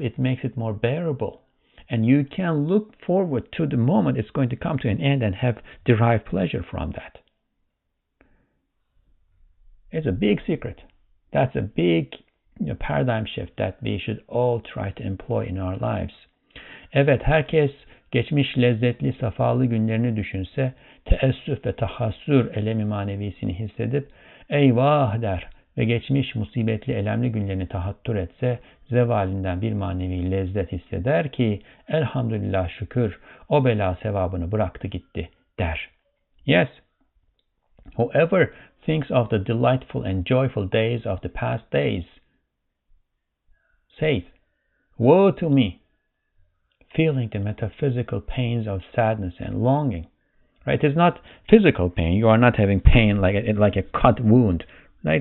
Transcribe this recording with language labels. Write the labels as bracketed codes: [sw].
[en] It makes it more bearable. And you can look forward to the moment it's going to come to an end and have derived pleasure from that. It's a big secret. That's a big paradigm shift that we should all try to employ in our lives. [tr] Evet, herkes geçmiş lezzetli, safalı günlerini düşünse, teessüf ve tahassür elemi manevisini hissedip, eyvah der ve geçmiş musibetli, elemli günlerini tahattür etse, zevalinden bir manevi lezzet hisseder ki, elhamdülillah şükür, o bela sevabını bıraktı gitti, der. [en] Yes, whoever thinks of the delightful and joyful days of the past days, says, woe to me, feeling the metaphysical pains of sadness and longing. Right? It is not physical pain. You are not having pain like a cut wound. Right?